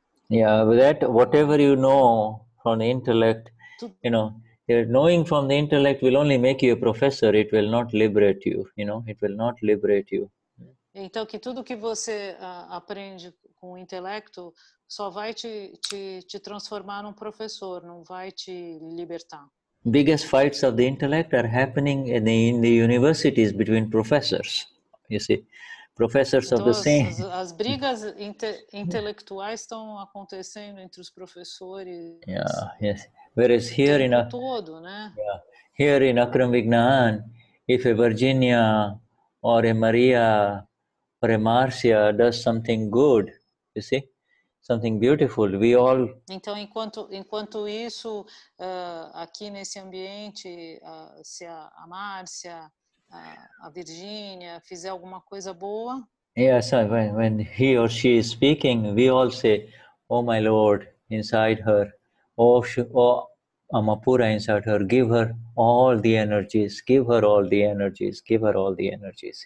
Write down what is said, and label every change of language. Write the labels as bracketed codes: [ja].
[en] that whatever you know from the intellect, you know, knowing from the intellect will only make you a professor. It will not liberate you. You know, it will not liberate you. [pt] Então que tudo que você aprende com o intelecto só vai te transformar num professor, não vai te libertar. [en] Biggest fights of the intellect are happening in the universities between professors. You see, professors of the same. [pt] As brigas intelectuais estão acontecendo entre os professores. [en] Yeah, yes. Whereas here in [pt] todo, né? [en] Yeah, here in Akram Vignan, if a Virginia or a Maria or a Marcia does something good, you see, something beautiful, we all. [pt] Então, enquanto isso, aqui nesse ambiente, se a Márcia, a Virgínia fizer alguma coisa boa. [en] Yes, when he or she is speaking, we all say, "Oh my Lord," inside her, "Oh Amapura," inside her, give her all the energies, give her all the energies, give her all the energies.